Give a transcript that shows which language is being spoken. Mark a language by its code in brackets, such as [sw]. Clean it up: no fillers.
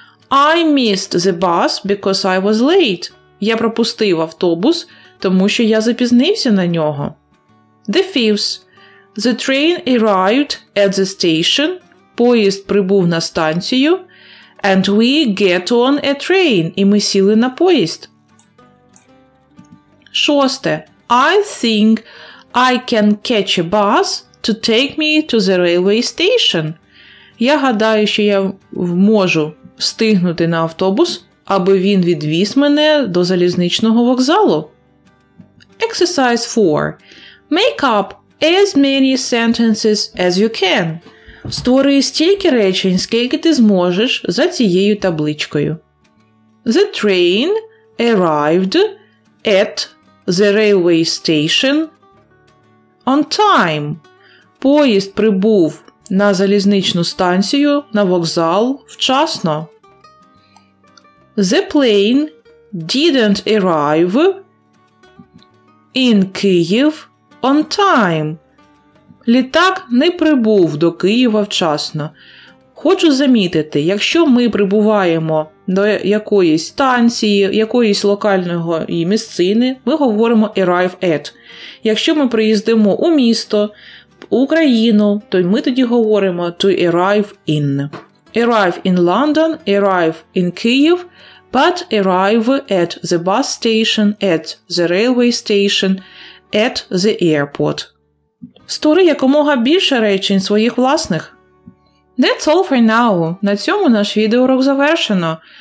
[en] I missed the bus because I was late. [uk] Я пропустив автобус, тому що я запізнився на нього. [en] The fifth. The train arrived at the station. [uk] Поїзд прибув на станцію. [en] And we get on a train. [uk] І ми сіли на поїзд. Шосте. [en] I think I can catch a bus to take me to the railway station. [uk] Я гадаю, що я можу встигнути на автобус, аби він відвіз мене до залізничного вокзалу. [en] Exercise 4. Make up as many sentences as you can. [uk] Створи стільки речень, скільки ти зможеш за цією табличкою. [en] The train arrived at the railway station on time. [uk] Поїзд прибув на залізничну станцію, на вокзал вчасно. [en] The plane didn't arrive in Kyiv on time. [uk] Літак не прибув до Києва вчасно. Хочу замітити, якщо ми прибуваємо до якоїсь станції, якоїсь локальної місцини, ми говоримо arrive at. Якщо ми приїздимо у місто, Україну, то ми тоді говоримо to arrive in. [en] Arrive in London, arrive in Kyiv, but arrive at the bus station, at the railway station, at the airport. [uk] Створи якомога більше речень своїх власних. [en] That's all for now. [uk] На цьому наш відеоурок завершено.